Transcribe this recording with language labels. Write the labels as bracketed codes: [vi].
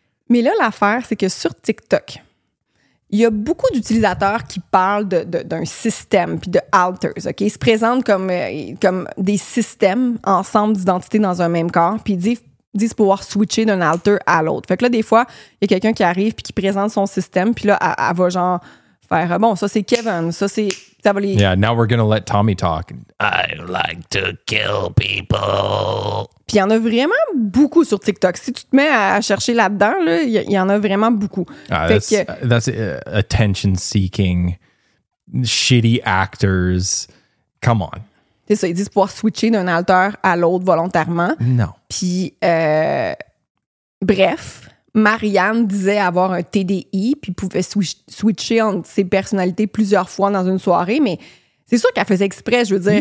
[fr] Mais là, l'affaire, c'est que sur TikTok, il y a beaucoup d'utilisateurs qui parlent d'un système, puis de alters, OK? Ils se présentent comme des systèmes, ensemble d'identités dans un même corps, puis ils disent pouvoir switcher d'un alter à l'autre. Fait que là, des fois, il y a quelqu'un qui arrive puis qui présente son système, puis là, elle va genre faire « Bon, ça, c'est Kevin, ça, c'est... » [en] Yeah, now we're gonna let Tommy talk. I like to kill people. [fr] Puis il y en a vraiment beaucoup sur TikTok. Si tu te mets à chercher là-dedans, là, il y en a vraiment beaucoup. [en] That's attention-seeking, shitty actors. Come on. [fr] C'est ça, ils disent pouvoir switcher d'un alter à l'autre volontairement. Non. Puis, bref, Marianne disait avoir un TDI puis pouvait switcher entre ses personnalités plusieurs fois dans une soirée, mais c'est sûr qu'elle faisait exprès, je veux dire.